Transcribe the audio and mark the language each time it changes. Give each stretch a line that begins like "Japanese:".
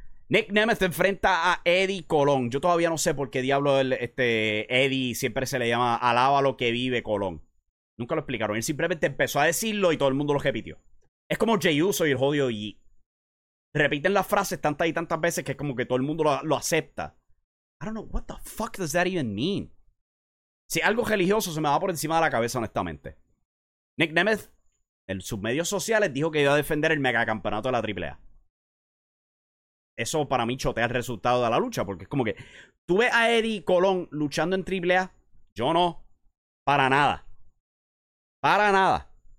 Spanish: Nick Nemeth enfrenta a Eddie Colón. Yo todavía no sé por qué diablo Eddie siempre se le llama alaba lo que vive Colón. Nunca lo explicaron, él simplemente empezó a decirlo y todo el mundo lo repitió. Es como Jey Uso y el jodido Yi. Repiten las frases tantas y tantas veces que es como que todo el mundo lo acepta.
English: I don't know, what the fuck does that even mean?
Spanish: Si algo religioso se me va por encima de la cabeza, honestamente. Nick Nemeth, en sus medios sociales, dijo que iba a defender el megacampeonato de la AAA. Eso para mí chotea el resultado de la lucha, porque es como que... ¿tú ves a Eddie Colón luchando en AAA? Yo no. Para nada. Para nada.